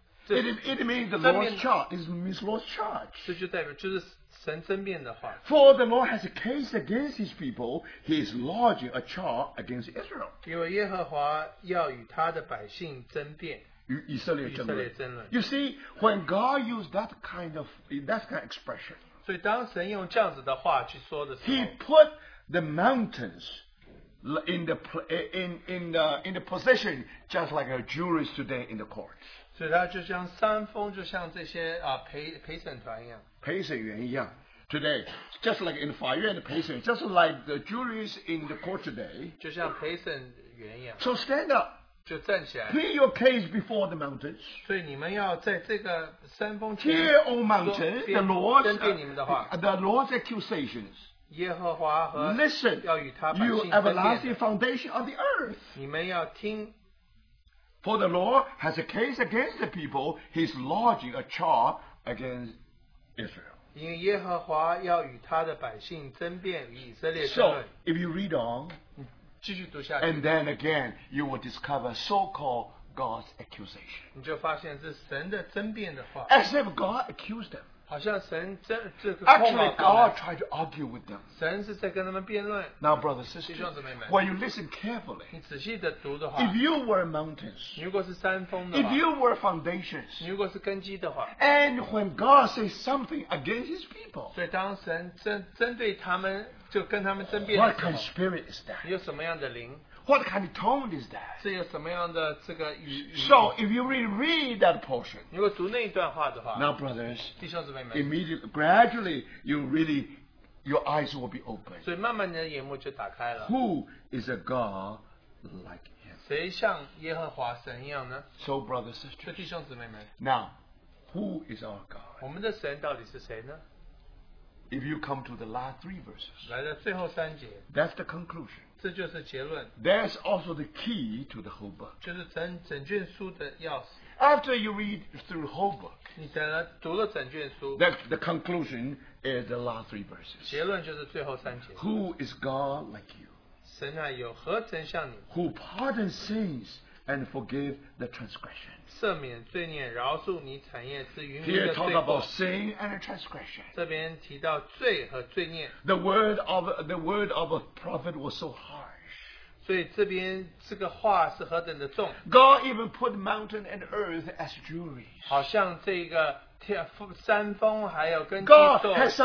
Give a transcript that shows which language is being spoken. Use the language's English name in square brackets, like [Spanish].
[English] It means the Lord's charge. It means Lord's charge. [Chinese] 这就代表就是神争辩的话。 [English] For the Lord has a case against his people, he is lodging a charge against Israel. [Chinese] 因为耶和华要与他的百姓争辩。与以色列争论。以色列争论。 [English] You see, when God used that kind of expression, [Chinese] 所以当神用这样子的话去说的时候, [English] he put the mountains in the position just like a jury today in the court. [Chinese] 所以他就像山峰，就像这些啊陪审团一样，陪审员一样。 [English] Today, just like in [Chinese] 法院的陪审， [English] just like the juries in the court today. [Chinese] 就像陪审员一样。 [English] So stand up. [Chinese] 就站起来。 [English] Plead your case before the mountains. [Chinese] 所以你们要在这个山峰前。 [English] Hear, O mountain, the Lord's. [Chinese] 针对你们的话。 [English] The Lord's accusations. [Chinese] 耶和华和 [English] Listen, [Chinese] 要与他百姓争辩。 [English] Listen, you everlasting foundation of the earth. [Chinese] 你们要听。 [English] For the Lord has a case against the people, he's lodging a charge against Israel. [Chinese] 因为耶和华要与他的百姓争辩，与以色列争论。 [English] So, if you read on, [Chinese] 继续读下去。 [English] And then again, you will discover so-called God's accusation. [Chinese] 你就发现是神的争辩的话。 [English] As if God accused them. [Chinese] 好像神真这个、 [English] Actually, God tried to argue with them. [Chinese] 神是在跟他们辩论。 [English] Now, brothers and sisters, when you listen carefully, [Chinese] 你仔细地读的话, [English] if you were mountains, [Chinese] 你如果是山峰的话, [English] if you were foundations, [Chinese] 你如果是根基的话, [English] and when God says something against his people, [Chinese] 所以当神针对他们就跟他们争辩的时候, [English] what kind of spirit is that? [Chinese] 你有什么样的灵? [English] What kind of tone is that? [Chinese] 是有什么样的这个语, 语, 语 [English] So, if you really read that portion, [Chinese] 如果读那一段话的话, [English] now, brothers, [Chinese] 弟兄姊妹们, [English] immediately, gradually, you really, your eyes will be opened. [Chinese] 所以慢慢你的眼目就打开了。 [English] Who is a God like him? [Chinese] 谁像耶和华神一样呢? [English] So, brothers, sisters, [Chinese] 所以弟兄姊妹们, [English] now, who is our God? [Chinese] 我们的神到底是谁呢? [English] If you come to the last three verses, [Chinese] 来到最后三节, [English] that's the conclusion. [Chinese] 这就是结论。 [English] That's also the key to the whole book. [Chinese] 就是整卷书的钥匙。 [English] After you read through the whole book, [Chinese] 你等了读了整卷书。 [English] The conclusion is the last three verses. [Chinese] 结论就是最后三节。 [English] Who is God like you? [Chinese] 神啊，有何曾像你 [English] ？Who pardons sins and forgive the transgression? [Chinese] 赦免罪孽，饶恕你产业之余民的罪过。 [English] Here talk about sin and transgression. [Chinese] 这边提到罪和罪孽。 [English] The word of a prophet was so harsh. [Chinese] 所以这边这个话是何等的重。 [English] God even put mountain and earth as juries. [Chinese] 好像这个天山峰还有根基做